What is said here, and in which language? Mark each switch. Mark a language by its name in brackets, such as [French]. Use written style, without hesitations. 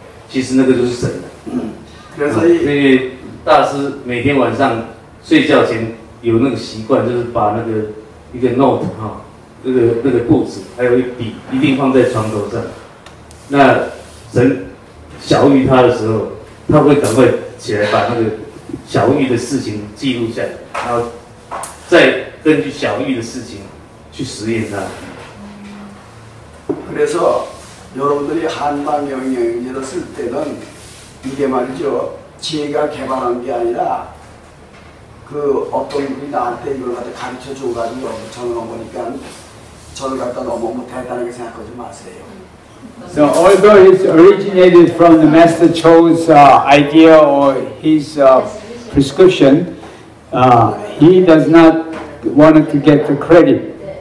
[Chinese] 其实那个就是神的，所以大师每天晚上睡觉前有那个习惯，就是把那个一个 note 那个簿子，还有一笔，一定放在床头上。那神小谕他的时候，他会赶快起来把那个小谕的事情记录下来，然后再根据小谕的事情去实验它。 [Korean] 그래서 여러분들이 한방 영양제를 쓸 때는 이게 말이죠. 제가 개발한 게 아니라 그 어떤 분이 나한테 이걸 갖다 가르쳐 줘가지고 저는 어머니까 저를 갖다 너무 뭐 대단하게 생각하지 마세요. [English] So although it's originated from the Master Cho's idea or his prescription, he does not want to get the credit.